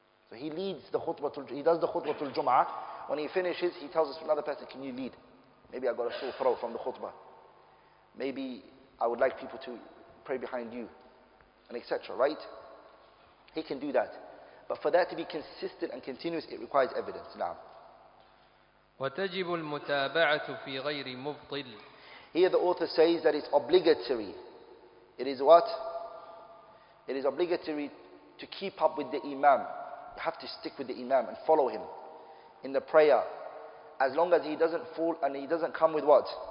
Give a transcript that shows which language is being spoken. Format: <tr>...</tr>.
<en>So he leads the khutbah, he does the khutbah tul jum'ah. When he finishes, he tells us another person, can you lead? Maybe I got a sore throat from the khutbah. Maybe I would like people to pray behind you, and etc. Right? He can do that. But for that to be consistent and continuous, it requires evidence. Now.</en> <ar>وتجب المتابعة في غير مبطل.</ar> <en>Here the author says that it's obligatory. It is what? It is obligatory to keep up with the imam. You have to stick with the imam and follow him in the prayer. As long as he doesn't fall and he doesn't come with what?</en>